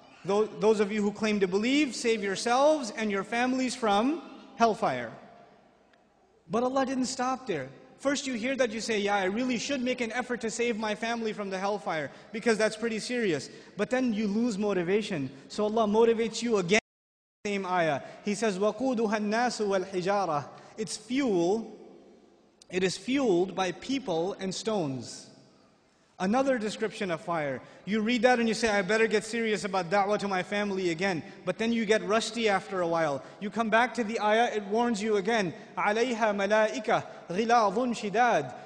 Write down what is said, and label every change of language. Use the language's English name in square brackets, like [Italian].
[English] Those of you who claim to believe, save yourselves and your families from hellfire. But Allah didn't stop there. First you hear that, you say, yeah, I really should make an effort to save my family from the hellfire, because that's pretty serious. But then you lose motivation. So Allah motivates you again. Same ayah. [Arabic] He says, وَقُودُهَا النَّاسُ وَالْحِجَارَةُ. [English] It's fuel. It is fueled by people and stones. Another description of fire. You read that and you say, I better get serious about da'wah to my family again. But then you get rusty after a while. You come back to the ayah, it warns you again. [Arabic] عَلَيْهَا مَلَائِكَ غِلَاظٌ شِدَادٌ.